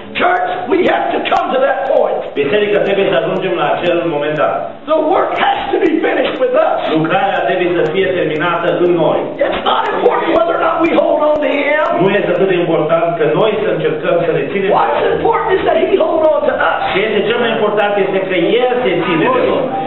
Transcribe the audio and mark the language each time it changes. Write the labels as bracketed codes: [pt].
[en] Church, we have to come to that point. [ro] Biserica trebuie să ajungem la acel moment dat. [en] The work has to be finished with us. [ro] Lucrarea trebuie să fie terminată în noi. [en] It's not important whether or not we hold on to him. [ro] Nu este atât de important că noi să încercăm să ne ținem. [en] What's important is that he hold on to us. [ro] Ce este cel mai important este că el se ține de noi.